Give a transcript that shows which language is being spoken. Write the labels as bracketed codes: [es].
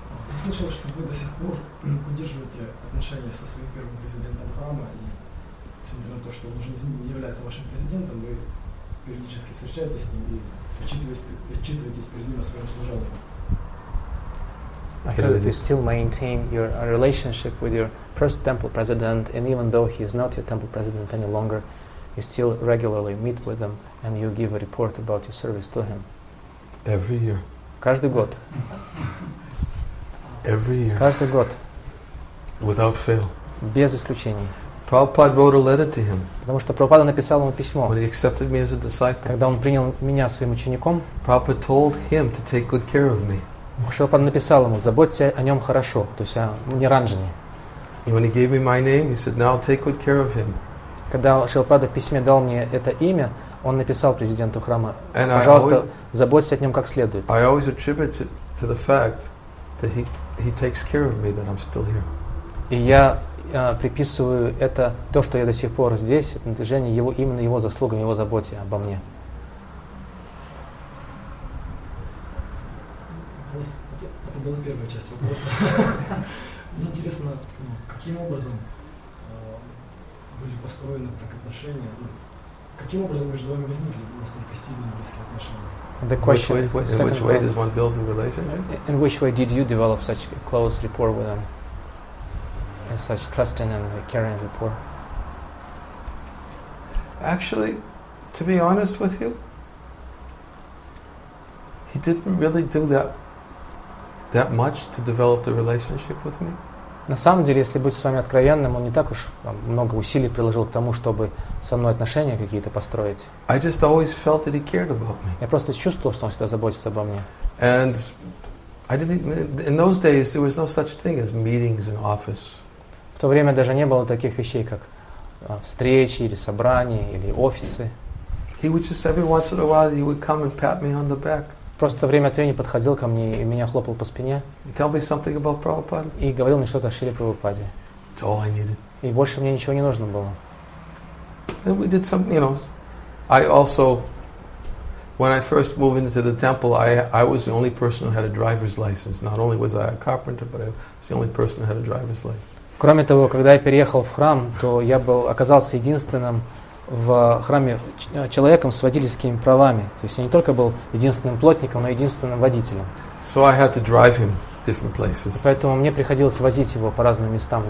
[ru] Я слышал, что вы до сих пор поддерживаете отношения со своим первым президентом храма, и несмотря на то, что он уже не является вашим президентом, вы периодически встречаетесь с ним и отчитываетесь перед ним о своем служении. [en] I feel that you still maintain your relationship with your first temple president, and even though he is not your temple president any longer, you still regularly meet with him and you give a report about your service to him. Every year. [ru] Каждый год. [en] Every year. [ru] Каждый год. [en] Without fail. [ru] Без исключений. [en] Prabhupada wrote a letter to him. [ru] Потому что Прабхупада написал ему письмо. [en] When he accepted me as a disciple. [ru] Когда он принял меня своим учеником. [en] Prabhupada told him to take good care of me. [ru] Шилопад написал ему, заботься о нем хорошо, то есть о Ниранджане. [en] When he gave me my name, he said, now take good care of him. [ru] Когда Шилопад в письме дал мне это имя, он написал президенту храма, пожалуйста, заботься о нем как следует. [en] I always attribute to the fact that he takes care of me, that I'm still here. [ru] И я приписываю это, то, что я до сих пор здесь, это натяжение его, именно его заслугам, его заботе обо мне. Это была первая часть вопроса. Мне интересно, каким образом были построены так отношения? Каким образом между вами возникли настолько сильные близкие отношения? [en] The question, in which way does one build a relationship? In which way did you develop such a close rapport with them? And such trusting and caring rapport? Actually, to be honest with you, he didn't really do that much to develop the relationship with me. [ru] На самом деле, если быть с вами откровенным, он не так уж много усилий приложил к тому, чтобы со мной отношения какие-то построить. [en] I just always felt that he cared about me. [ru] Я просто чувствовал, что он всегда заботится обо мне. [en] And I didn't. In those days, there was no such thing as meetings in office. [ru] В то время даже не было таких вещей, как встречи или собрания или офисы. [en] He would just every once in a while he would come and pat me on the back. [ru] Просто время от времени подходил ко мне и меня хлопал по спине. [en] Tell me something about Prabhupada. [ru] И говорил мне что-то о Шриле Прабхупаде. [en] It's all I needed. [ru] И больше мне ничего не нужно было. [en] And we did some, you know, I also, when I first moved into the temple, I was the only person who had a driver's license. Not only was I a carpenter, but I was the only person who had a driver's license. [ru] Кроме того, когда я переехал в храм, то я был оказался единственным в храме человеком с водительскими правами. То есть я не только был единственным плотником, но и единственным водителем. So I had to drive him different places. Поэтому мне приходилось возить его по разным местам.